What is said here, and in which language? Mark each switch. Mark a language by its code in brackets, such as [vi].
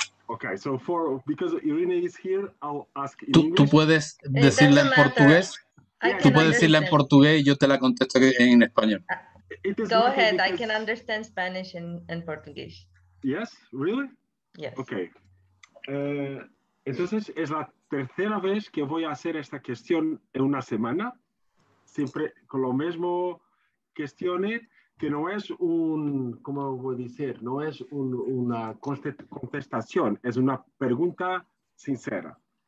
[en] Okay, so because Irina is here, I'll ask in [es] English. ¿Tú puedes decirla en portugués? Tú puedes decirla en portugués y yo te la contesto en español. [en] Go ahead, I can understand Spanish and Portuguese. Yes, really? Yes. Okay. [es] Entonces, es la tercera vez que voy a hacer esta cuestión en una semana, siempre con lo mismo cuestione, que no es un, ¿cómo voy a decir? No es una contestación, es una pregunta sincera.